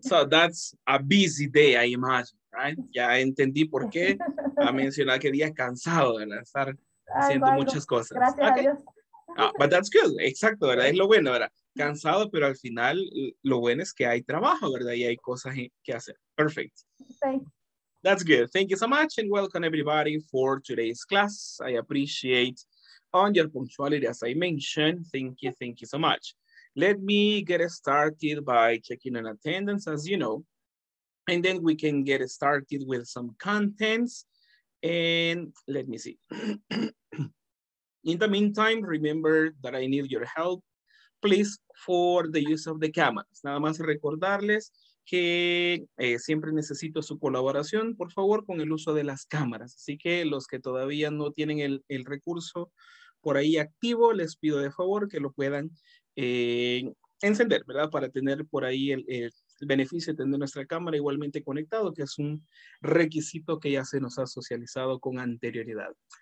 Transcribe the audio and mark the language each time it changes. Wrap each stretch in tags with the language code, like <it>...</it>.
<en>So that's a busy day, I imagine, right?</en> <es>Ya entendí por qué ha mencionado que día cansado de estar haciendo muchas cosas. Gracias okay. A Dios.</es> <en>But that's good,</en> <es>exacto, ¿verdad? Es lo bueno, ¿verdad? Cansado, pero al final lo bueno es que hay trabajo, ¿verdad? Y hay cosas que hacer. Perfect.</es> <en>Thanks. That's good. Thank you so much and welcome everybody for today's class. I appreciate on your punctuality as I mentioned. Thank you so much. Let me get started by checking on attendance as you know, and then we can get started with some contents. And let me see. In the meantime, remember that I need your help, please, for the use of the cameras.</en> <es>Nada más recordarles que siempre necesito su colaboración, por favor, con el uso de las cámaras. Así que los que todavía no tienen el recurso por ahí activo, les pido de favor que lo puedan encender, ¿verdad? Para tener por ahí el beneficio de tener nuestra cámara igualmente conectado, que es un requisito que ya se nos ha socializado con anterioridad.</es>